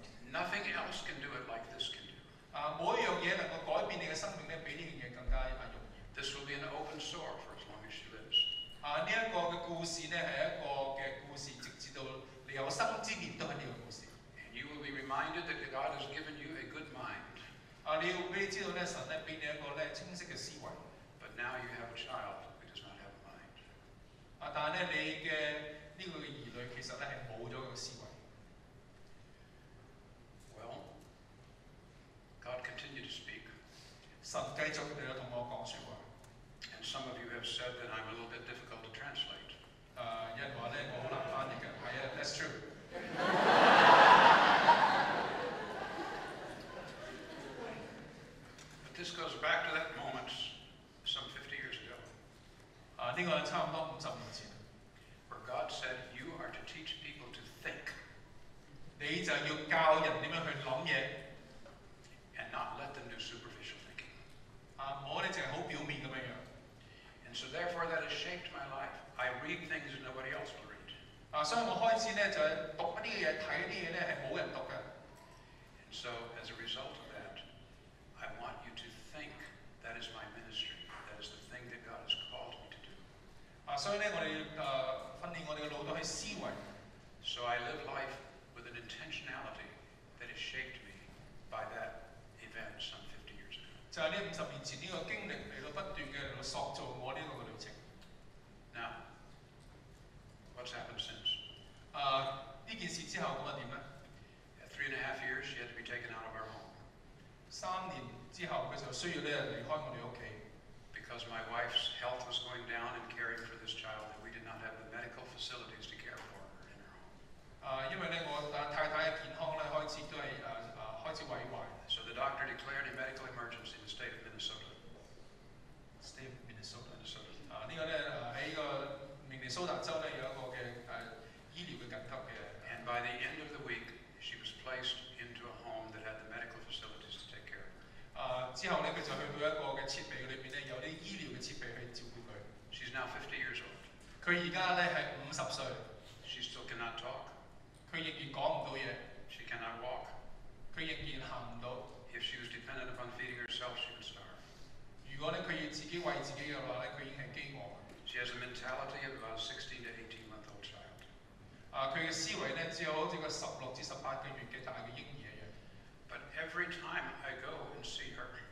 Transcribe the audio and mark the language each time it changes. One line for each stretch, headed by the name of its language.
English: Nothing else can do it like this can do. This will be an open sore for as long as she lives. And you will be reminded that God has given you a good mind.
Cantonese: 你要知道神給你一個清晰的思維,
English: but now you have a child who does not have a mind.
Cantonese: 但你的兒女其實沒有了思維。
English: Well, God continued to speak.
Cantonese: 神繼續嚟到同我講説話。
English: And some of you have said that I'm a little bit difficult to translate.
Cantonese: 有人話咧，我好難翻譯嘅。係啊
English: ，That's true. But this goes back to that moment some 50 years ago.
Cantonese: 呢個係差唔多五十年前。
English: God said, "You are to teach people to think."
Cantonese: 你就要教人點樣去諗嘢
English: ，and not let them do superficial thinking.
Cantonese: 我哋淨係好表面咁樣樣。
English: And so, therefore, that has shaped my life. I read things that nobody else will read.
Cantonese: 所以我開始咧就讀一啲嘢，睇一啲嘢咧係冇人讀嘅。
English: And so, as a result of that, I want you to think that is my ministry. That is the thing that God has called me to do.
Cantonese: 所以咧，我哋訓練我哋嘅腦袋係思維。
English: So I live life with an intentionality that has shaped me by that event some 50 years ago.
Cantonese: 就係呢五十年前呢個經歷嚟到不斷嘅嚟到塑造我呢個嘅旅程。
English: Now, what's happened since?
Cantonese: 呢件事之後咁啊點咧
English: ？At 3.5 years, she had to be taken out of our home.
Cantonese: 三年之後佢就需要咧離開我哋屋企。
English: Because my wife's health was going down and caring for this child, and we did not have the medical facilities to care for her in her home.
Cantonese: 因為咧，我太太嘅健康咧開始都係開始萎壞。
English: So the doctor declared a medical emergency in the state of Minnesota. State of Minnesota, Minnesota.
Cantonese: 呢個咧喺個明尼蘇達州咧有一個嘅醫療嘅緊急嘅。
English: And by the end of the week, she was placed into a home that had the medical facilities to take care of her.
Cantonese: 之後咧，佢就去到一個嘅設備裏邊咧，有啲醫療嘅設備去照顧佢。
English: She's now 50 years old.
Cantonese: 佢而家咧係五十歲。
English: She still cannot talk.
Cantonese: 佢仍然講唔到嘢。
English: She cannot walk.
Cantonese: 佢仍然行唔到。
English: If she was dependent upon feeding herself, she would starve.
Cantonese: 如果咧佢要自己餵自己嘅話咧，佢已經係飢餓。
English: She has a mentality of about 16 to 18 month old child.
Cantonese: 佢嘅思維咧只有好似個16至18個月嘅大嘅嬰兒。
English: But every time I go and see her,